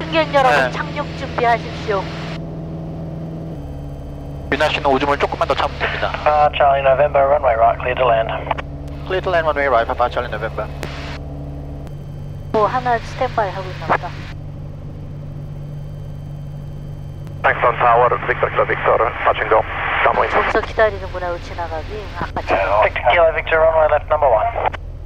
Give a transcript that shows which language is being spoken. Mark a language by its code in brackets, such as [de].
[ko] 승객 여러분 네. 착륙 준비하십시오. 유나 씨는 오줌을 조금만 더 참으면 됩니다. [en] Charlie November, runway right, clear to land. Clear to land, runway right, Charlie November. [ko] 뭐 하나 스탠바이 하고 있나보다. [en] Thanks on tower, Victor Kilo Victor, touch and go. [ko] 벌써 기다리는구나 지나가기 아까 전에 [en] Victor Kilo Victor, runway left number one.